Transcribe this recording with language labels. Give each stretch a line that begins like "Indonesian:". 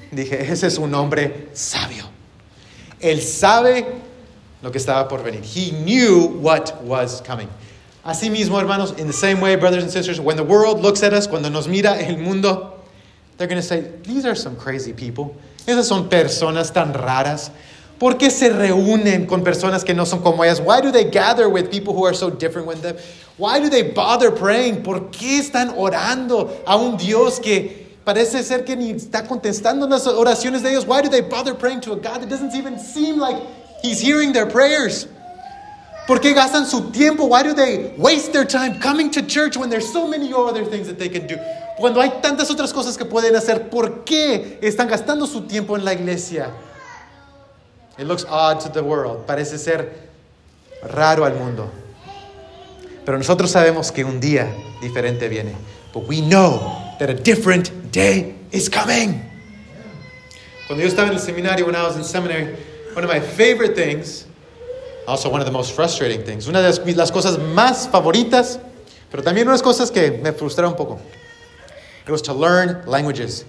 Spanish: Dije, ese es un hombre sabio. Él sabe lo que estaba por venir.
English: He knew what was coming.
Spanish: Así mismo, hermanos,
English: in the same way, brothers and sisters, when the world looks at us,
Spanish: cuando nos mira el mundo,
English: they're going to say, these are some crazy people.
Spanish: Esas son personas tan raras. ¿Por qué se reúnen con personas que no son como ellas?
English: Why do they gather with people who are so different with them? Why do they bother praying?
Spanish: ¿Por qué están orando a un Dios que parece ser que ni está contestando las oraciones de ellos?
English: Why do they bother praying to a God that doesn't even seem like he's hearing their prayers?
Spanish: ¿Por qué gastan su tiempo?
English: Why do they waste their time coming to church when there's so many other things that they can do?
Spanish: Cuando hay tantas otras cosas que pueden hacer, ¿por qué están gastando su tiempo en la iglesia?
English: It looks odd to the world.
Spanish: Parece ser raro al mundo. Pero nosotros sabemos que un día diferente viene.
English: But we know that a different day is coming.
Spanish: Cuando yo estaba en el seminario,
English: when I was in seminary, one of my favorite things, also one of the most frustrating things,
Spanish: una de las cosas más favoritas, pero también unas cosas que me frustraron un poco,
English: it was to learn languages.